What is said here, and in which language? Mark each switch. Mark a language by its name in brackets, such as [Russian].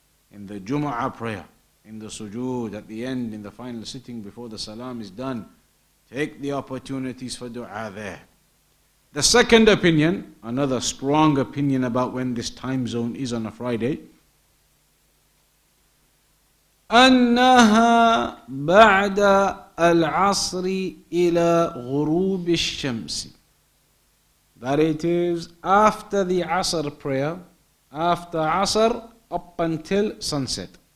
[English] In the Jum'ah prayer, in the sujood, at the end, in the final sitting before the salam is done, take the opportunities for dua there. The second opinion, another strong opinion about when this time zone is on a Friday, [Arabic] أنها بعد العصر إلى غروب الشمس. [English] That it is after the Asr prayer, after Asr up until sunset.